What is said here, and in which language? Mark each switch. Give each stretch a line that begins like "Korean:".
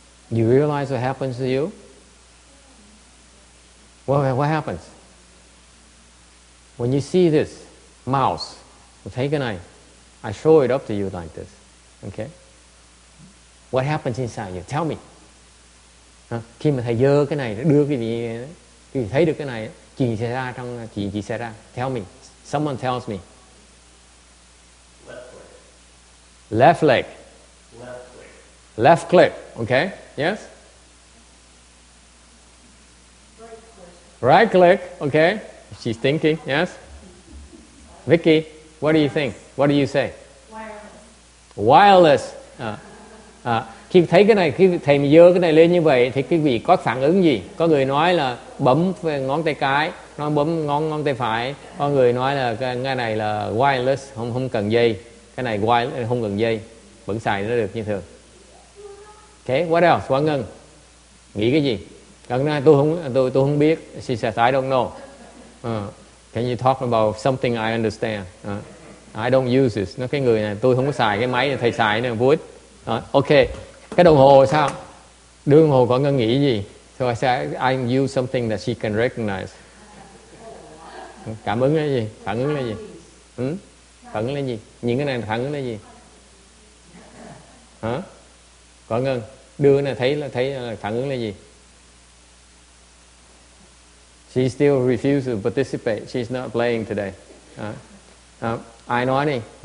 English: You realize what happens to you? What happens? When you see this mouse, take an eye, I show it up to you like this, okay? What happens inside you? Tell me.
Vietnamese: Khi mà thầy dơ cái này, đưa cái gì, thì thấy được cái này, chuyện xảy ra trong, chuyện gì xảy ra?
English: Tell me. Someone tells me. Left leg. Left leg. Left clip. Left clip, okay? Yes? Right click. Right click, okay? She's thinking, yes? Vicky, what do you think? What do you say? Wireless. Wireless.
Vietnamese: Khi thấy cái này, khi thầy dơ cái này lên như vậy thì quý vị có phản ứng gì? Có người nói là bấm ngón tay cái, nó bấm ngón tay phải. Có người nói là cái này là wireless, không cần dây. Cái này wireless, không cần dây, vẫn xài nó được như thường.
English: Ok, what else?
Vietnamese: Quán Ngân nghĩ cái gì? Cần nói tôi không biết.
English: She says, I don't know. Can you talk about something I understand? I don't use this.
Vietnamese: Nó cái người này, tôi không có xài cái máy này, thầy xài nó vui. Ok, cái đồng hồ sao? Đồng hồ có Ngân nghĩ gì?
English: So I say, I use something that she can recognize.
Vietnamese: Cảm ứng là gì? Phản ứng là gì? Phản ứng là gì? Những cái này phản ứng là gì? Hả? Có Ngân đưa cái này thấy là phản ứng là gì?
English: She still refuses to participate. She's not playing today. I know any.